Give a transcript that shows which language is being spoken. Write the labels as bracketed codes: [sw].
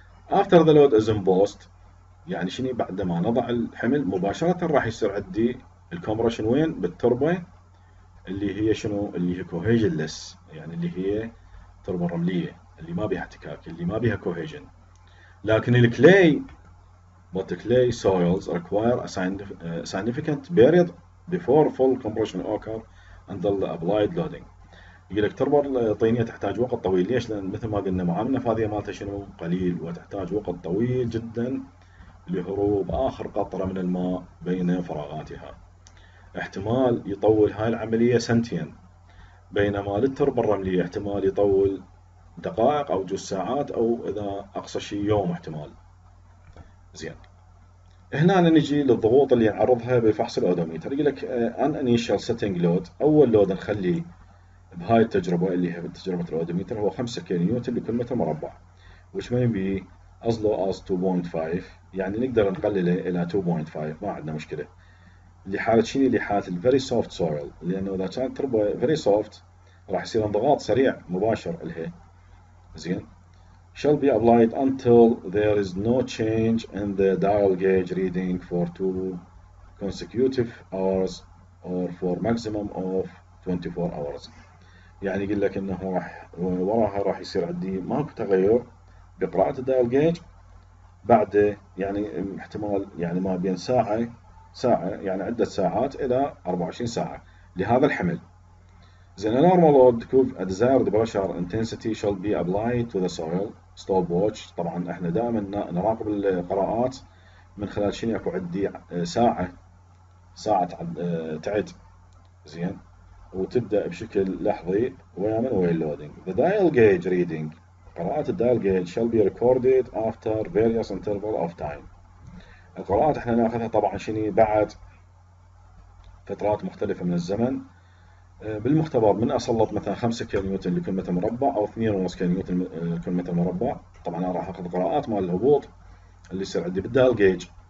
[en] After the load is in post [ar] يعني شنو بعد ما نضع الحمل مباشرة راح يصير عندي الكومبريشن وين؟ بالتربة اللي هي شنو؟ اللي هي كوهيجنلس، يعني اللي هي تربة رملية اللي ما بيها احتكاك، اللي ما بيها كوهيجن. لكن الكلي [en] but the clay soils require a significant period before full compression occur and the applied loading. [ar] يقول لك التربة الطينية تحتاج وقت طويل، ليش؟ لأن مثل ما قلنا معامل النفاذية مالتها شنو؟ قليل، وتحتاج وقت طويل جدا لهروب آخر قطرة من الماء بين فراغاتها. احتمال يطول هاي العملية سنتين، بينما للتربة الرملية احتمال يطول دقائق أو جوز ساعات، أو إذا أقصى شيء يوم احتمال. زين، هنا نجي للضغوط اللي نعرضها بفحص الأودوميتر. يقول لك أن انيشال سيتنج لود، أول لود نخليه بهاي التجربة اللي هي تجربة الأودوميتر هو 5 كيلو نيوتن لكل متر مربع، [en] which may be as low as 2.5، [ar] يعني نقدر نقلله إلى 2.5، ما عندنا مشكلة. لحالة شنو؟ لحالة الـ very soft soil، لأنه إذا كانت تربة very soft راح يصير انضغاط سريع مباشر لها. [en] زين، shall be applied until there is no change in the dial gauge reading for 2 consecutive hours or for maximum of 24 hours. [ar] يعني يقول لك انه راح وراها راح يصير عندي ماكو تغير بقراءة الدايل جيج بعد، يعني احتمال يعني ما بين ساعة يعني عدة ساعات إلى 24 ساعة لهذا الحمل. [en] The normal load to give a desired pressure intensity shall be applied to the soil stopwatch. [ar] طبعا احنا دائما نراقب القراءات من خلال شنو؟ اكو عندي ساعة تعد. زين، وتبدأ بشكل لحظي ويامن وين لودينج. [en] The dial gauge reading [ar] قراءات الدايل جيج [en] shall be recorded after various interval of time. [ar] القراءات احنا ناخذها طبعا شنو؟ بعد فترات مختلفة من الزمن. بالمختبر من اسلط مثلا 5 كيلو نيوتن لكل متر مربع او 2.5 كيلو نيوتن لكل متر مربع، طبعا انا راح اخذ قراءات مال الهبوط اللي يصير عندي بالدال جيج.